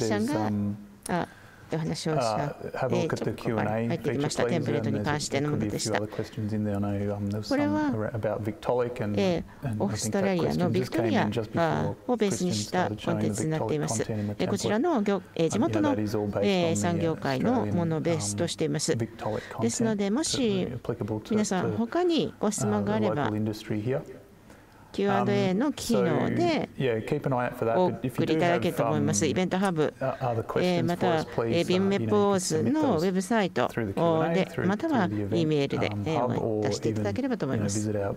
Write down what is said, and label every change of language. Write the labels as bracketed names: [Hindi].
[Japanese] クリスチャンが、お話をした。 [English] Have a look at the Q&A feature, please. And there could be a few other questions in there. I know there's some about Victolic and I think that question just came in just before Christian started showing the Victolic content in the template. And that is all based on the Australian Victolic content. [Japanese] ですので、もし皆さん他にご質問があれば、Q&A の機能でお送りいただけると思います。イベントハブ、または BIM-MEP AUSのウェブサイトで、または E メールで出していただければと思います。